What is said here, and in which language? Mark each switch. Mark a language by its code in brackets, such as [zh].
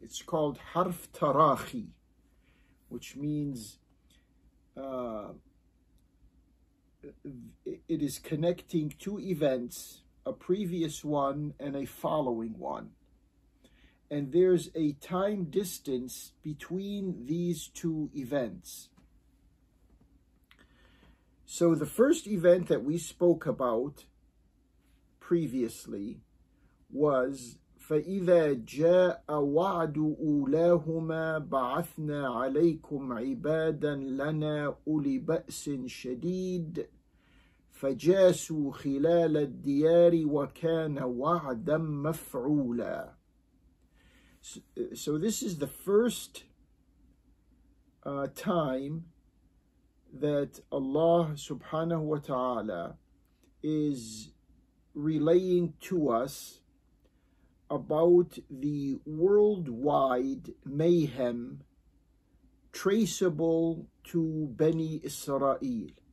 [en] It's called harf tarahi, which means it is connecting two events, a previous one and a following one. And there's a time distance between these two events. So the first event that we spoke about previously was [ar] فَإِذَا جَاءَ وَعْدُ أُولَاهُمَا بَعَثْنَا عَلَيْكُمْ عِبَادًا لَنَا أُولِي بَأْسٍ شَدِيدٍ فَجَاسُوا خِلَالَ الدِّيَارِ وَكَانَ وَعْدًا مَفْعُولًا. [en] So this is the first time that Allah subhanahu wa ta'ala is relaying to us about the worldwide mayhem traceable to Bani Isra'eel.